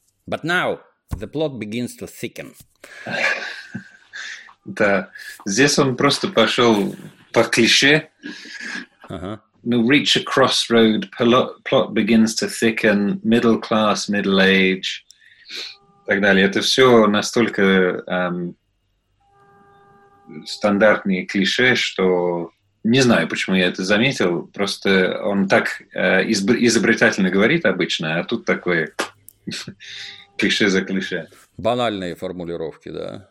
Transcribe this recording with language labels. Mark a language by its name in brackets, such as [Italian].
[English] But now the plot begins to thicken. [Russian] Да, здесь он просто пошел по клише. Ага. [English] No, reach a crossroad, plot begins to thicken, middle class, middle age, [Russian] так далее. Это все настолько стандартные клише, что не знаю, почему я это заметил, просто он так изобретательно говорит обычно, а тут такое клише за клише. Банальные формулировки, да?